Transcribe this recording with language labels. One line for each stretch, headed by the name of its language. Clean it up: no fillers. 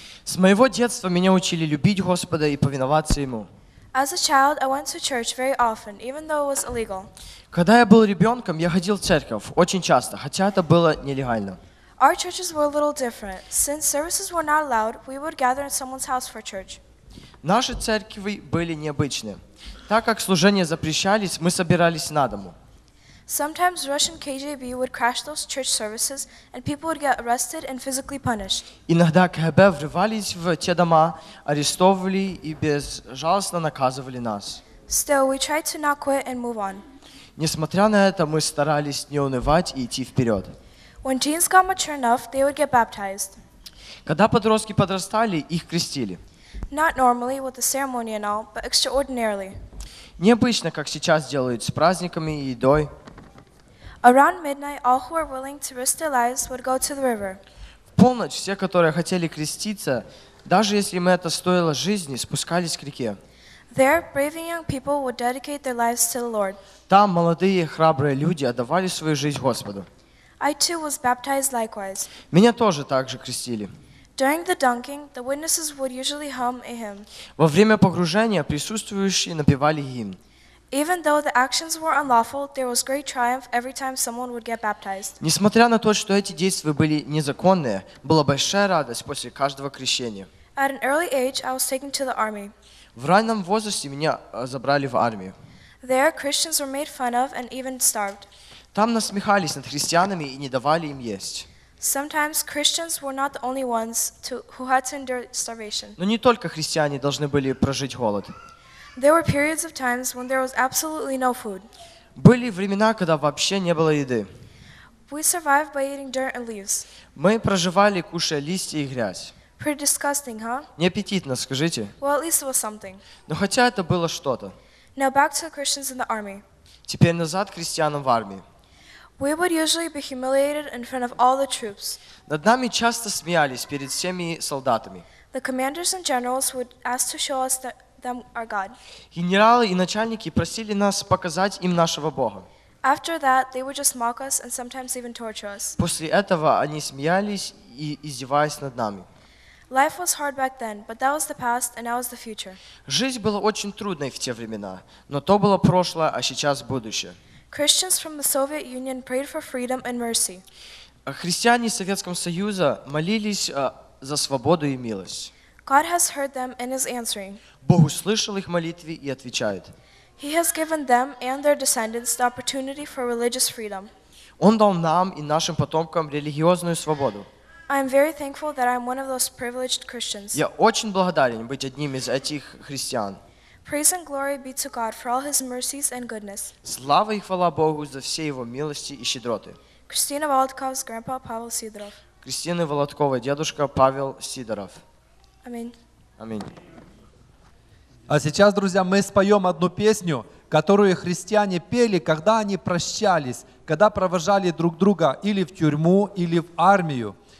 Ukrainian: З моєго дитинства мене учили любити Господа і повинуватися йому.
English: As a child, I went to church very often, even though it was illegal.
Ukrainian: Коли я був ребенком, я ходив в церковь дуже часто, хоча це було нелегально.
English: Our churches were a little different. Since services were not allowed, we would gather in someone's house for church.
Ukrainian: Наші церкви були необычні. Так як служення запрещались, ми збиралися на дому.
English: Sometimes Russian KGB would crash those church services and people would get arrested and physically punished.
Ukrainian: Іноді КГБ вривались в ці дома, арештовували і безжалісно наказували нас.
English: Still, we tried to not quit and move on.
Ukrainian: Несмотря на це, ми старались не унивати і йти вперед.
English: When teens got mature enough, they would get baptized.
Ukrainian: Коли підростки підростали, їх хрестили.
English: Not normally with the ceremony and all, but extraordinarily.
Ukrainian: Необычно, як зараз делають з праздниками і їдою.
English: Around midnight, all who were willing to risk their lives would go to the river.
Russian: В полночь все, которые хотели креститься, даже если им это стоило жизни, спускались к реке.
English: There, brave young people would dedicate their lives to the Lord.
Russian: Там молодые храбрые люди отдавали свою жизнь Господу.
English: I too was baptized likewise.
Russian: Меня тоже также крестили.
English: During the dunking, the witnesses would usually hum a hymn.
Russian: Во время погружения присутствующие напевали гимн.
English: Even though the actions were unlawful, there was great triumph every time someone would get baptized.
Russian: Несмотря на то, что эти действия были незаконные, была большая радость после каждого крещения.
English: At an early age, I was taken to the army.
Russian: В раннем возрасте меня забрали в армию.
English: There, Christians were made fun of and even starved.
Russian: Там насмехались над христианами и не давали им есть.
English: Sometimes Christians were not the only ones who had to endure starvation.
Russian: Но не только христиане должны были прожить голод.
English: There were periods of times when there was absolutely no food.
Russian: Были времена, когда вообще не было еды.
English: We survived by eating dirt and leaves.
Russian: Мы проживали, кушая листья и грязь.
English: Pretty disgusting, huh?
Russian: Неаппетитно, скажите.
English: Well, at least it was something.
Russian: Но хотя это было что-то.
English: Now back to the Christians in the army.
Russian: Теперь назад христианам в армии.
English: We would usually be humiliated in front of all the troops.
Russian: Над нами часто смеялись перед всеми солдатами.
English: The commanders and generals would ask to show us them our God.
Russian: Генералы и начальники просили нас показать им нашего Бога.
English: After that, they would just mock us and sometimes even torture us.
Russian: После этого они смеялись и издевались над нами.
English: Life was hard back then, but that was the past, and now is the future.
Russian: Жизнь была очень трудной в те времена, но то было прошлое, а сейчас будущее.
English: Christians from the Soviet Union prayed for freedom and mercy.
Russian: Христиане Советского Союза молились за свободу и милость.
English: God has heard them and is answering.
Russian: Бог услышал их молитвы и отвечает.
English: He has given them and their descendants the opportunity for religious freedom.
Russian: Он дал нам и нашим потомкам религиозную свободу.
English: I am very thankful that I am one of those privileged Christians.
Russian: Я очень благодарен быть одним из этих христиан.
English: Praise and glory be to God for all His mercies and goodness.
Russian: Слава и хвала Богу за все Его милости и щедроты. Кристина Володкова, Grandpa Павел Сидоров. Кристина Володкова, дедушка Павел Сидоров. Аминь. Аминь. А сейчас, друзья, мы споем одну песню, которую христиане пели, когда они прощались, когда провожали друг друга или в тюрьму, или в армию.